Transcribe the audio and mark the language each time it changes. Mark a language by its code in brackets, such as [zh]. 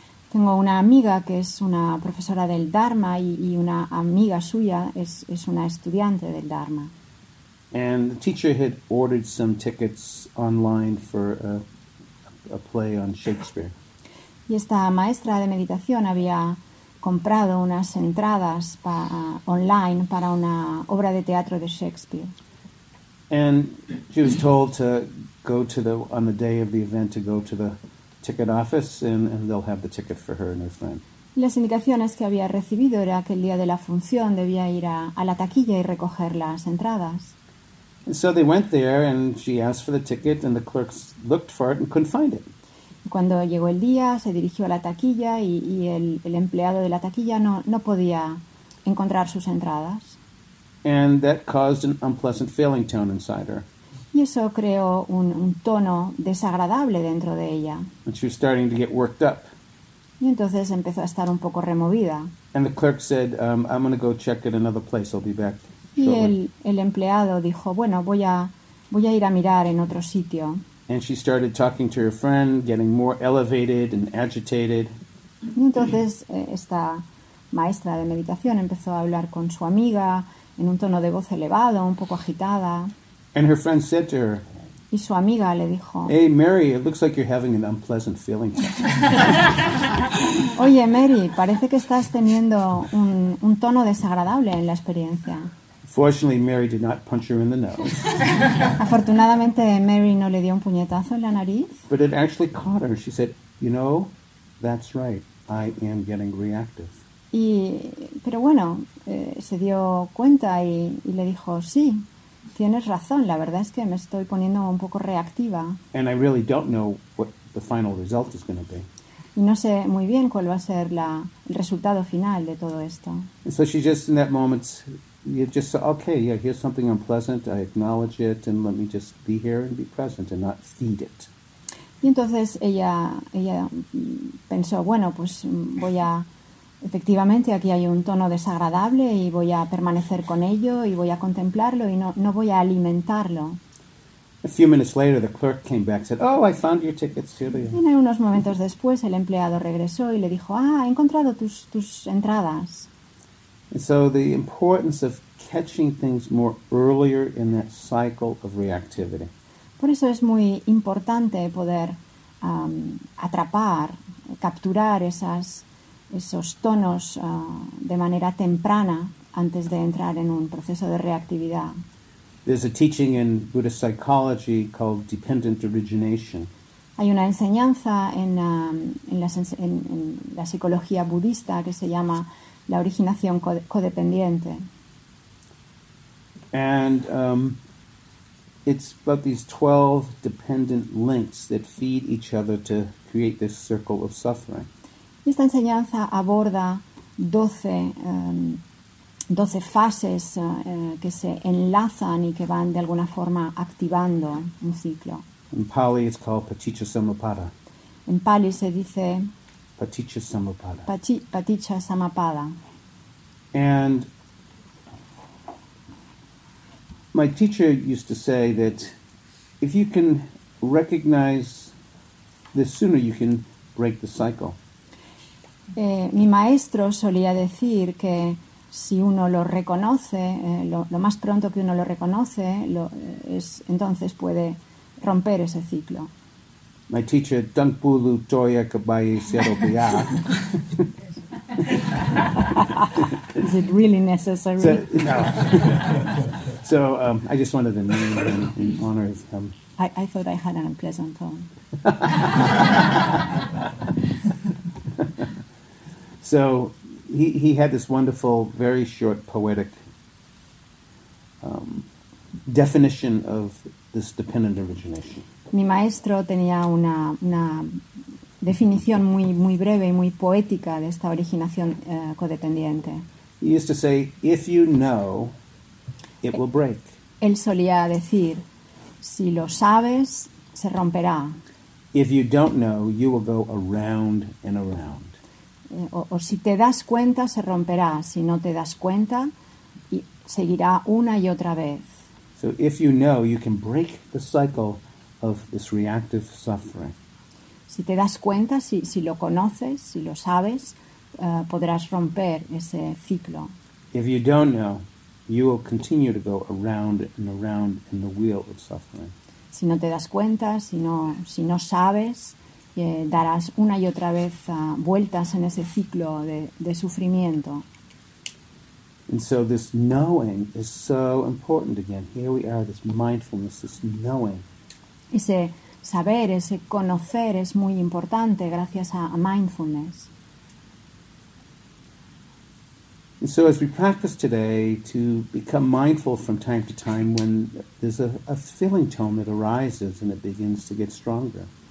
[es] Tengo una amiga que es una profesora del Dharma y una amiga suya es una estudiante del Dharma. [en] And the teacher had ordered some tickets online for a play on Shakespeare. [es] Y esta maestra de meditación había comprado unas entradas online para una obra de teatro de Shakespeare. [en] And she was told to go to the on the day of the event to go to the ticket office and they'll have the ticket for her and her friend. [es] Las indicaciones que había recibido era que el día de la función debía ir a la taquilla y recoger las entradas. [en] And so they went there and she asked for the ticket and the clerks looked for it and couldn't find it. [es] Cuando llegó el día, se dirigió a la taquilla y el empleado de la taquilla no podía encontrar sus entradas. [en] And that caused an unpleasant feeling tone inside her. [es] Y eso creó un tono desagradable dentro de ella. [en] And she was starting to get worked up. [es] Y entonces empezó a estar un poco removida. [en] And the clerk said, I'm going to go check at another place. I'll be back shortly. [es] Y el empleado dijo, bueno, voy a ir a mirar en otro sitio. [en] And she started talking to her friend, getting more elevated and agitated. [es] Entonces, esta maestra de meditación empezó a hablar con su amiga en un tono de voz elevado, un poco agitada. [en] And her friend said to her, [es] y su amiga le dijo, [en] hey, Mary, it looks like you're having an unpleasant feeling. [es] Oye, Mary, parece que estás teniendo un tono desagradable en la experiencia. [en] Fortunately, Mary did not punch her in the nose. [es] Afortunadamente, Mary no le dio un puñetazo en la nariz. [en] But it actually caught her. She said, "You know, that's right. I am getting reactive." [es] Y pero bueno, se dio cuenta y le dijo, "Sí, tienes razón. La verdad es que me estoy poniendo un poco reactiva." [en] And I really don't know what the final result is going to be. [es] Y no sé muy bien cuál va a ser el resultado final de todo esto. [en] And so she just in that moment. You just say, okay, yeah, here's something unpleasant, I acknowledge it, and let me just be here and be present and not feed it. [es] Y entonces ella pensó, bueno, pues voy a Efectivamente, aquí hay un tono desagradable y voy a permanecer con ello y voy a contemplarlo y no voy a alimentarlo. [en] A few minutes later, the clerk came back and said, "Oh, I found your tickets, Celia." [es] En unos momentos después, el empleado regresó y le dijo, "Ah, he encontrado tus entradas." [en] And so the importance of catching things more earlier in that cycle of reactivity. [es] Por eso es muy importante poder atrapar, capturar esos tonos de manera temprana antes de entrar en un proceso de reactividad. [en] There's a teaching in Buddhist psychology called dependent origination. [es] Hay una enseñanza en la psicología budista que se llama la originación codependiente. [en] And it's about these 12 dependent links that feed each other to create this circle of suffering. [es] Esta enseñanza aborda 12 12 fases que se enlazan y que van de alguna forma activando un ciclo. [en] In Pali it's called paticca samuppada. [es] En Pali se dice [pi] paticca samuppada. Paticca samuppada. [en] And my teacher used to say that if you can recognize this sooner, you can break the cycle. [es] Mi maestro solía decir que si uno lo reconoce, lo más pronto que uno lo reconoce, entonces puede romper ese ciclo. [en] My teacher, Dung Pulu Toya Kabaye Sero Bia. Is it really necessary? So I just wanted to name him in honor of him. I thought I had an unpleasant tone. So he had this wonderful, very short, poetic definition of this dependent origination. [es] Mi maestro tenía una definición muy muy breve y muy poética de esta originación codependiente. [en] He used to say, "If you know, it will break." [es] Él solía decir, "Si lo sabes, se romperá." [en] If you don't know, you will go around and around. [es] O si te das cuenta, se romperá. Si no te das cuenta, y seguirá una y otra vez. [en] So if you know, you can break the cycle of this reactive suffering. [es] Si te das cuenta, si lo conoces, si lo sabes, podrás romper ese ciclo. [en] If you don't know, you will continue to go around and around in the wheel of suffering. [es] Si no te das cuenta, si no sabes, darás una y otra vez vueltas en ese ciclo de sufrimiento. [en] And so this knowing is so important again. Here we are, this mindfulness, this knowing. [es] Ese saber, ese conocer es muy importante gracias a mindfulness. [en] And so as we practice today to become mindful from time to time when there's a feeling tone that arises and it begins to get stronger.